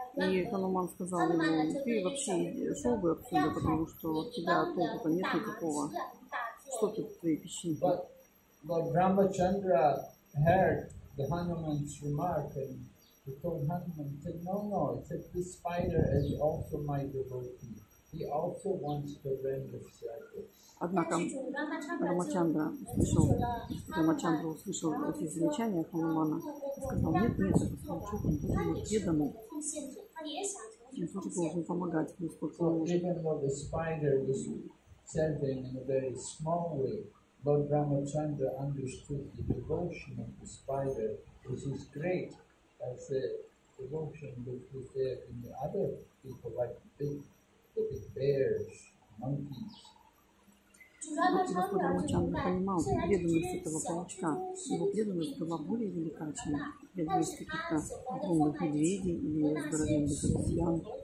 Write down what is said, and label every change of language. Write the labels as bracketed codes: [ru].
[ru] И Хануман сказал ему, ты вообще шел бы отсюда, потому что от тебя толку-то нет никакого. Что ты в твоей песчинке? [en] But Рамачандра heard the Hanuman's remark and he told Hanuman, he said, no, he said, this spider is also my devotee. He also wants to render service. [ru] Однако Рамачандра услышал эти замечания Ханумана и сказал, нет, это паучок, он должен быть преданным. Он тоже должен помогать, насколько он может. [en] Even though the spider was serving in a very small way, Lord Ramachandra understood the devotion of the spider was as great as the devotion which was there in the other people, like the big bears, monkeys. [ru] Господь Рамачандра понимал преданность этого паучка. Его преданность была более велика, чем преданность каких-то огромных медведей или здоровенных обезьян.